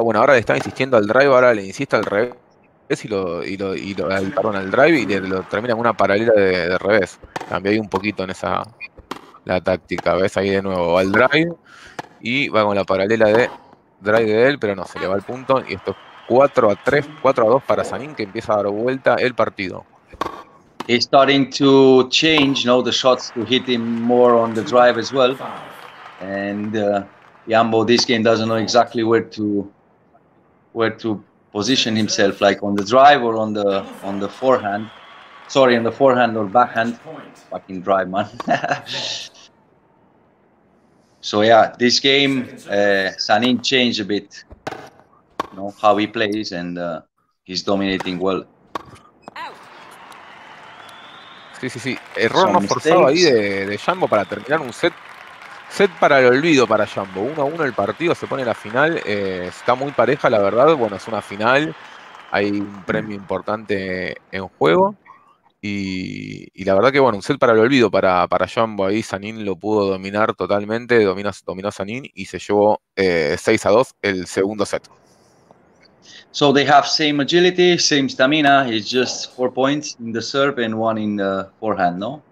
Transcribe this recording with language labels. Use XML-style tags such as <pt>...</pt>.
<es>Bueno, ahora le están insistiendo al drive, ahora le insiste al revés y lo al drive y lo termina en una paralela de revés. Cambió ahí un poquito en esa la táctica. Ves ahí de nuevo al drive y va con la paralela de drive de él, pero no, se le va el punto y esto es 4-3, 4-2 para Sanin, que empieza a dar vuelta el partido.</es> <en>He's starting to change now the shots to hit him more on the drive as well. And Jumbo, this game doesn't know exactly where to position himself, like on the drive or on the forehand. Sorry, on the forehand or backhand. Fucking drive, man. So yeah, this game, Sanin changed a bit, you know, how he plays, and he's dominating well.</en> <es>Sí. Error no forzado ahí de Jumbo para terminar un set. Set para el olvido para Jumbo. 1-1 el partido, se pone la final. Está muy pareja, la verdad. Bueno, es una final. Hay un premio importante en juego. Y la verdad que, bueno, un set para el olvido para Jumbo. Ahí Sanin lo pudo dominar totalmente. Dominó Sanin y se llevó 6-2 el segundo set.</es> <en>So they have same agility, same stamina. It's just 4 points in the serve and 1 in the forehand, no?</en>